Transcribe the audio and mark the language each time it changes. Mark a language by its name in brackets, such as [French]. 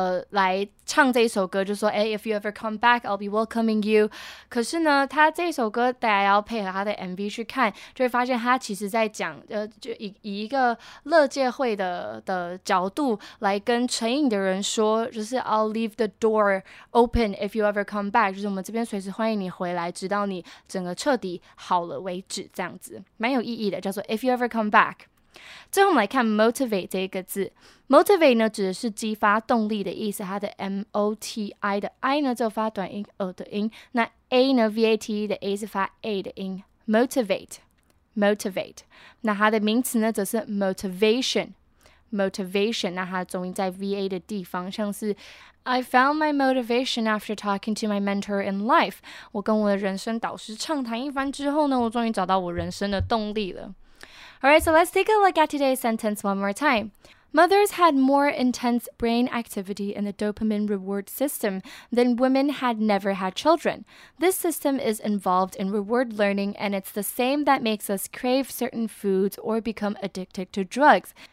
[Chinese] 来唱这一首歌就说 Hey, If You Ever Come Back I'll Be Welcoming You 可是呢他这一首歌大家要配合他的 MV 去看就会发现他其实在讲就 以一个乐界会 的角度来跟成瘾的人说就是 [English] I'll leave the door open if you ever come back [Chinese] 就是我们这边随时欢迎你回来直到你整个彻底好了为止这样子蛮有意义的叫做 If You Ever Come Back 最后我们来看 motivate 这一个字。 motivate 呢指的是激发动力的意思，它的 M-O-T-I 的 I 呢就发短音 O 的音，那 A 呢 V-A-T-E 的 A 是发 A 的音， motivate motivate， 那它的名词呢则是 motivation motivation， 那它的重音在 V-A 的地方，像是 [English] I found my motivation after talking to my mentor in life. [Chinese] 我跟我的人生导师畅谈一番之后呢，我终于找到我人生的动力了。 [English] All right, so let's take a look at today's sentence one more time. Mothers had more intense brain activity in the dopamine reward system than women had never had children. This system is involved in reward learning, and it's the same that makes us crave certain foods or become addicted to drugs.